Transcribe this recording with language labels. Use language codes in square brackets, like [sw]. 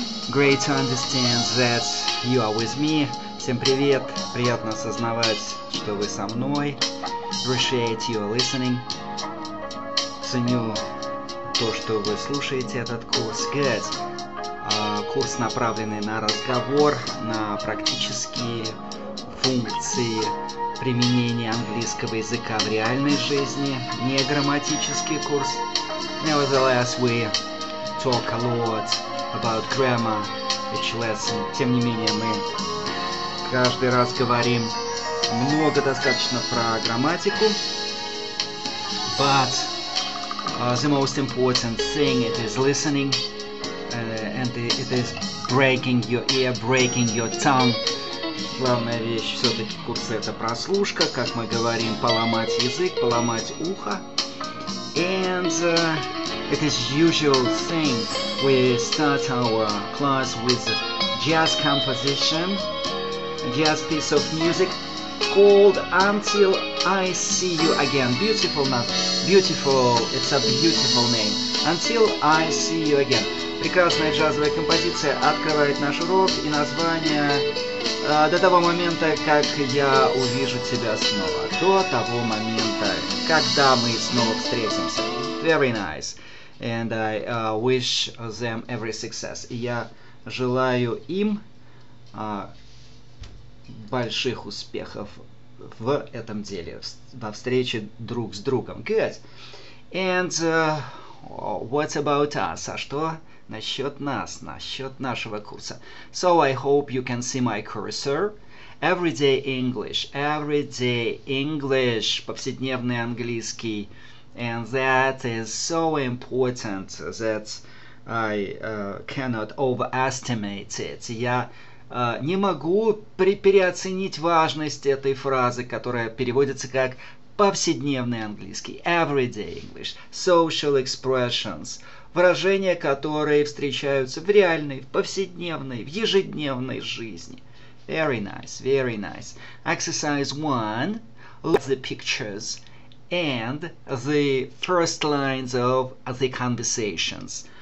[en] Great to understand that you are with me. [ru] Всем привет. Приятно осознавать, что вы со мной. [en] Appreciate your listening. [ru] Ценю то, что вы слушаете этот курс. [en] Good. [ru] Курс, направленный на разговор, на практические функции применения английского языка в реальной жизни. Не грамматический курс. [en] Nevertheless, we talk a lot about grammar each lesson. [ru] Тем не менее, мы каждый раз говорим много достаточно про грамматику. [en] But the most important thing it is listening. And it is breaking your ear, breaking your tongue. [ru] Главная вещь все-таки курса это прослушка, как мы говорим, поломать язык, поломать ухо. [en] And it is usual thing. We start our class with jazz composition, jazz piece of music called Until I See You Again. Beautiful, not beautiful. It's a beautiful name. Until I See You Again. [ru] Прекрасная джазовая композиция открывает наш урок и название до того момента, как я увижу тебя снова. До того момента, когда мы снова встретимся. [en] Very nice. And I wish them every success. [ru] И я желаю им больших успехов в этом деле, во встрече друг с другом. [en] Good. And what about us? [ru] А что? Насчет нас, насчет нашего курса. [en] So I hope you can see my cursor. Everyday English. Everyday English. [ru] Повседневный английский. [en] And that is so important that I cannot overestimate it. [ru] Я не могу переоценить важность этой фразы, которая переводится как повседневный английский. [en] Everyday English. Social expressions. [ru] Выражения, которые встречаются в реальной, в повседневной, в ежедневной жизни. [en] Very nice, very nice. Exercise 1. Look at the pictures and the first lines of the conversations.